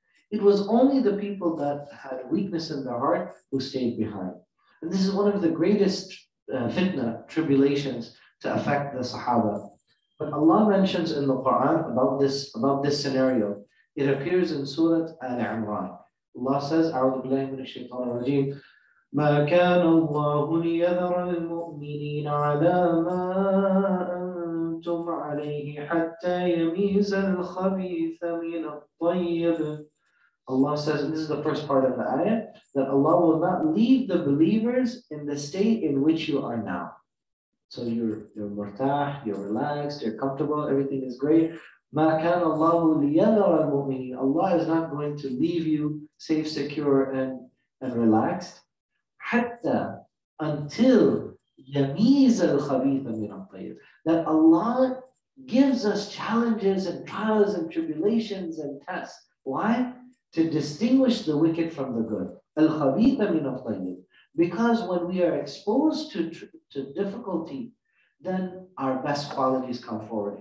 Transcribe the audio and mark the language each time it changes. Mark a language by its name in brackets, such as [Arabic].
[English] It was only the people that had weakness in their heart who stayed behind. And this is one of the greatest fitna, tribulations to affect the Sahaba. But Allah mentions in the Quran about this scenario. It appears in Surah Al-Imran. Allah says, [Arabic] أَعُوذُ بِاللَّهِ مِنَ الشَّيْطَانِ الرَّجِيمِ مَا كَانَ اللَّهُ لِيَذَرَ الْمُؤْمِنِينَ عَلَى مَا أَنْتُمْ عَلَيْهِ حَتَّى يَمِيزَ الْخَبِيثَ مِنَ الطَّيِّبِ. [English] Allah says, this is the first part of the ayah, that Allah will not leave the believers in the state in which you are now. So you're murtah, you're relaxed, you're comfortable, everything is great. [Arabic] مَا كَانَ اللَّهُ لِيَذَرَ الْمُؤْمِنِينَ. [English] Allah is not going to leave you safe, secure, and relaxed. [Arabic] حَتَّى [English] until [Arabic] يَمِيزَ الْخَبِيثَ مِنَ الطَّيِّبِ. [English] That Allah gives us challenges and trials and tribulations and tests. Why? To distinguish the wicked from the good. [Arabic] Al-khabitha min al-tayyib. [English] Because when we are exposed to difficulty, then our best qualities come forward.